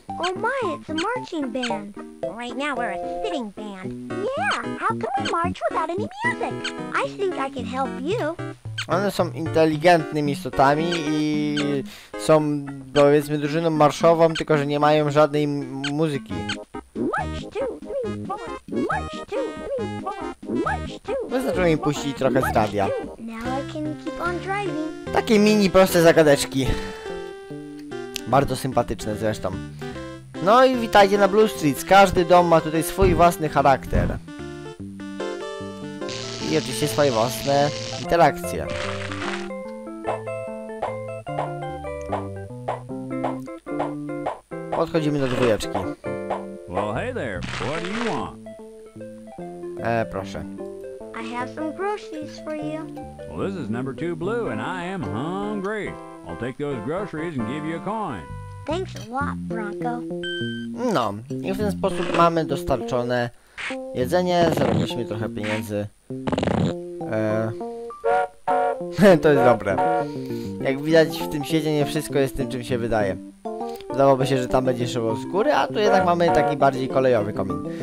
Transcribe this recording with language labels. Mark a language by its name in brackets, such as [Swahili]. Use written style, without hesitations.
[English] Oh my, it's a marching band. Right now we're a sitting band. Yeah, how can we march without any music? I think I can help you. [Polish] One są inteligentnymi istotami i są, powiedzmy, drużyną marszową, tylko że nie mają żadnej muzyki. [English] March two, three, four. March two, three, four. March two. [Polish] Wystarczyło mi puścić trochę z radia. [English] Now I can keep on driving. [Polish] Takie mini proste zagadeczki. Bardzo sympatyczne zresztą. No i witajcie na Blue Street. Każdy dom ma tutaj swój własny charakter. I oczywiście swoje własne interakcje. Podchodzimy do dwójeczki. [English] Well, hey there. What do you want? [Polish] Proszę. [English] I have some groceries for you. Well, this is number 2 blue and I am hungry. I'll take those groceries and give you a coin. Thanks a lot, Bronco. [Polish] No, i w ten sposób mamy dostarczone jedzenie, zarobiliśmy trochę pieniędzy. To jest dobre. Jak widać, w tym świecie nie wszystko jest tym, czym się wydaje. Wydawałoby się, że tam będzie szybko z góry, a tu jednak mamy taki bardziej kolejowy komin.